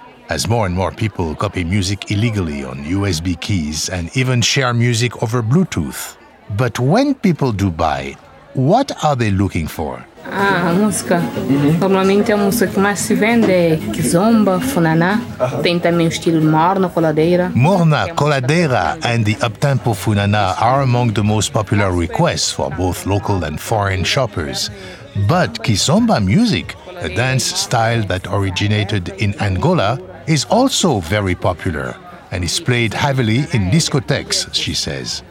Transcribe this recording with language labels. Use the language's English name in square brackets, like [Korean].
[English] As more and more people copy music illegally on USB keys and even share music over Bluetooth. But when people do buy, what are they looking for? [Portuguese] Ah, música. Normalmente a música que mais se vende é kizomba, funaná. Tem também o estilo morna, coladeira. [English] Morna, coladeira and the uptempo funaná are among the most popular requests for both local and foreign shoppers. But kizomba music, a dance style that originated in Angola, is also very popular and is played heavily in discotheques, she says.